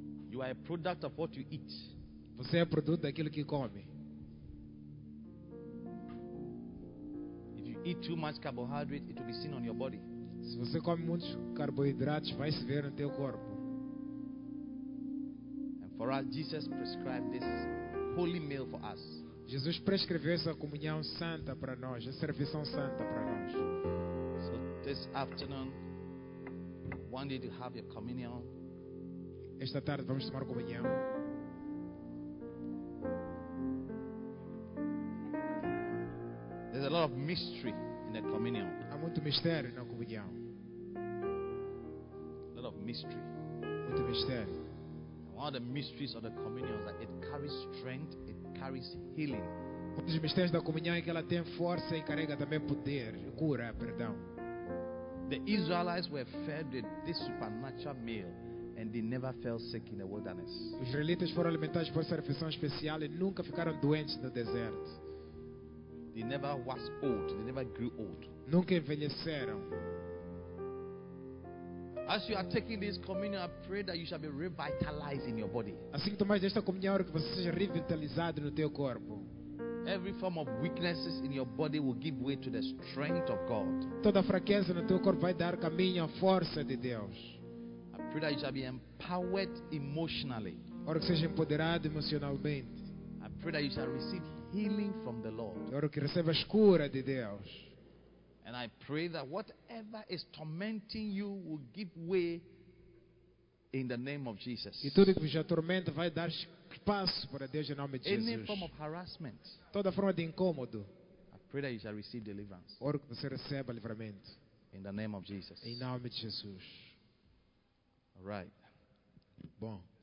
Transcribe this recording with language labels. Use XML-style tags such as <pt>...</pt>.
<en>You are a product of what you eat.</en> <pt>Você é produto daquilo que come.</pt> <en>If you eat too much carbohydrate, it will be seen on your body.</en> <pt>Se você come muitos carboidratos, vai se ver no teu corpo.</pt> <en>And for us, Jesus prescribed this holy meal for us.</en> <pt>Jesus prescreveu essa comunhão santa para nós, essa refeição santa para nós.</pt> <en>So this afternoon, one day to have your communion.</en> <pt>Esta tarde vamos tomar comunhão.</pt> <en>There's a lot of mystery in the communion.</en> <pt>Há muito mistério na comunhão.</pt> <en>A lot of mystery.</en> <pt>Muito mistério.</pt> <en>One of the mysteries of the communion is that it carries strength. Carries healing.</en> <pt>Um dos mistérios da comunhão é que ela tem força e carrega também poder, cura, perdão.</pt> <en>The Israelites were fed with this supernatural meal, and they never fell sick in the wilderness.</en> <pt>Os israelitas foram alimentados por essa refeição especial e nunca ficaram doentes no deserto.</pt> <en>They never was old. They never grew old.</en> <pt>Nunca envelheceram.</pt> <en>As you are taking this communion, I pray that you shall be revitalized in your body.</en> <pt>Assim que tomas esta comunhão, que você seja revitalizado no teu corpo.</pt> <en>Every form of weaknesses in your body will give way to the strength of God.</en> <pt>Toda fraqueza no teu corpo vai dar caminho à força de Deus.</pt> <en>I pray that you shall be empowered emotionally.</en> <pt>Oro que seja empoderado emocionalmente.</pt> <en>I pray that you shall receive healing from the Lord.</en> <pt>Oro que recebas cura de Deus.</pt> <en>And I pray that whatever is tormenting you will give way in the name of Jesus.</en> <pt>E tudo que já atormenta vai dar espaço para Deus em nome de Jesus.</pt> <en>Any form of harassment.</en> <pt>Toda forma de incômodo.</pt> <en>pray that you shall receive deliverance.</en> <pt>Oro que você receba livramento.</pt> <en>In the name of Jesus.</en> <pt>Em nome de Jesus.</pt> <en>All right.</en> <pt>Bom.</pt>